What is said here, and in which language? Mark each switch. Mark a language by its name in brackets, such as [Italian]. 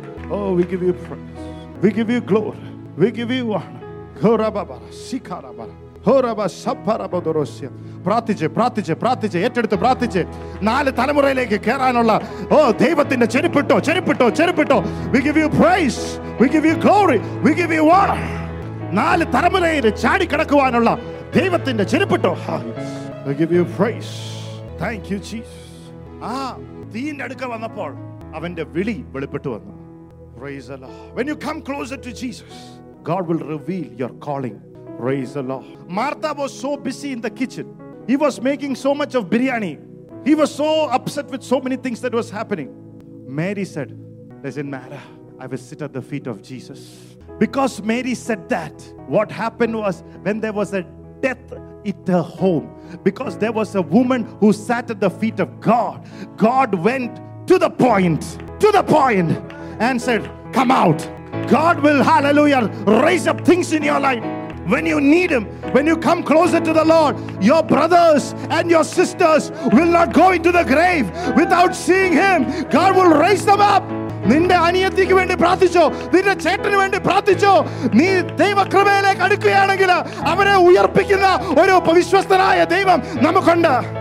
[English] Oh, we give you praise, we give you glory, we give you honor. Horababara sikarabara horaba sabarabodorosya. [Malayalam] പ്രാർത്ഥിച്ച് പ്രാർത്ഥിച്ച് പ്രാർത്ഥിച്ച് ഏറ്റെടുത്ത് പ്രാർത്ഥിച്ച് നാല് തലമുറയിലേക്ക് കയറാനുള്ള ഓ ദൈവത്തിന്റെ ചെരുപ്പിട്ടോ ചെരുപ്പിട്ടോ ചെരുപ്പിട്ടോ. [English] We give you praise, we give you glory, we give you honor. [Malayalam] നാല് തലമുറയിൽ ചാടി കടക്കുവാനുള്ള ദൈവത്തിന്റെ ചെരുപ്പിട്ടോ. [English] We give you praise. Thank you, Jesus. [Malayalam] തീന്റെ അടുക്ക വന്നപ്പോൾ അവന്റെ വിളി വെളിപ്പെട്ടു വന്നു. [English] Praise the Lord. When you come closer to Jesus, God will reveal your calling. Praise the Lord. Martha was so busy in the kitchen. He was making so much of biryani. He was so upset with so many things that was happening. Mary said, doesn't matter, I will sit at the feet of Jesus. Because Mary said that, what happened was, when there was a death in the home, because there was a woman who sat at the feet of God, God went to the point and said, come out. God will, hallelujah, raise up things in your life. When you need Him, when you come closer to the Lord, your brothers and your sisters will not go into the grave without seeing Him. God will raise them up. [Malayalam] നിന്റെ അനിയത്തിക്ക് വേണ്ടി പ്രാർത്ഥിച്ചോ, നിന്റെ ചേട്ടന് വേണ്ടി പ്രാർത്ഥിച്ചോ, നീ ദൈവകൃപയിലേക്ക് അടുക്കുകയാണെങ്കിൽ അവരെ ഉയർപ്പിക്കുന്ന ഒരു വിശ്വസ്തനായ ദൈവം നമുക്കുണ്ട്.